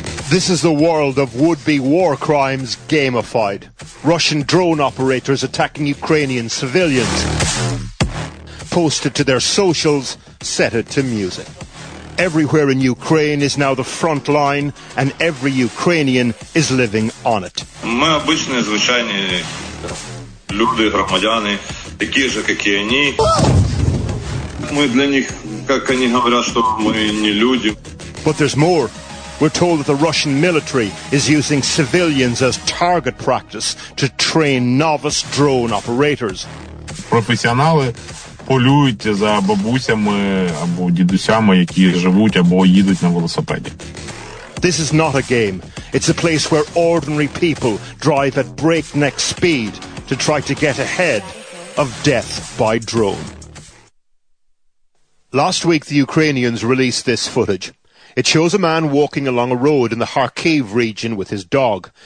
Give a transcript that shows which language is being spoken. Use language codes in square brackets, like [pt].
[en] This is the world of would-be war crimes gamified. Russian drone operators attacking Ukrainian civilians. Posted to their socials, set it to music. Everywhere in Ukraine is now the front line, and every Ukrainian is living on it. [uk] Ми обичні, звичайні люди, громадяни, такі ж, як і вони. Ми для них, як вони говорять, що ми не люди. [en] But there's more. We're told that the Russian military is using civilians as target practice to train novice drone operators. [uk] Професіонали полюють за бабусями або дідусями, які живуть або їдуть на велосипеді. [en] This is not a game. It's a place where ordinary people drive at breakneck speed to try to get ahead of death by drone. Last week, the Ukrainians released this footage. It shows a man walking along a road in the Kharkiv region with his dog.